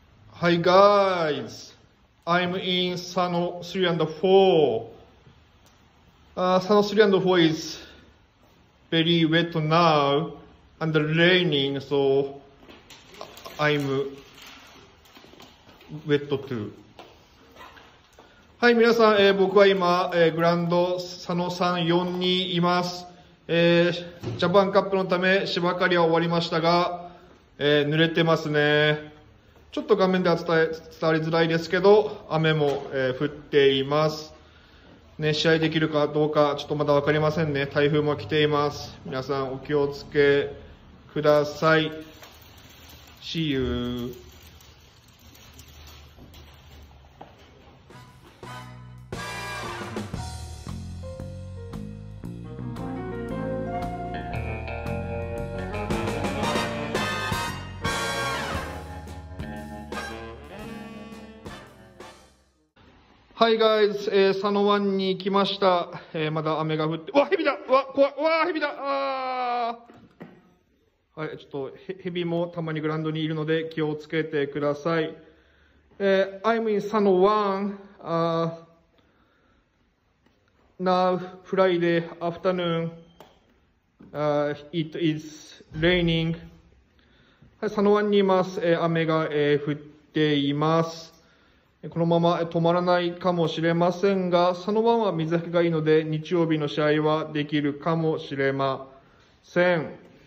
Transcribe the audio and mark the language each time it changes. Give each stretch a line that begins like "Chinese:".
English: Hi guys, I'm in Sano 3 and 4. Sano 3 and 4 is very wet now and raining, so I'm wet too.
Japanese: はい、皆さん、僕は今、グランド佐野さん4にいます、ジャパンカップのため芝刈りは終わりましたが、濡れてますね。ちょっと画面では伝わりづらいですけど雨も、降っています。ね、試合できるかどうかちょっとまだ分かりませんね。台風も来ています。皆さんお気をつけください。
English: See you。
Japanese: はい、ガイズ、佐野湾に来ました、まだ雨が降って、わ、ヘビだ、わ、怖い、わ、ヘビだ、あー、はい、ちょっとヘビもたまにグラウンドにいるので気をつけてください。
English: I'm in 佐野湾、Now, Friday afternoon, it is raining.
Japanese: はい、佐野湾にいます、雨が、降っています。このまま止まらないかもしれませんが、佐野湾は水はけがいいので日曜日の試合はできるかもしれません。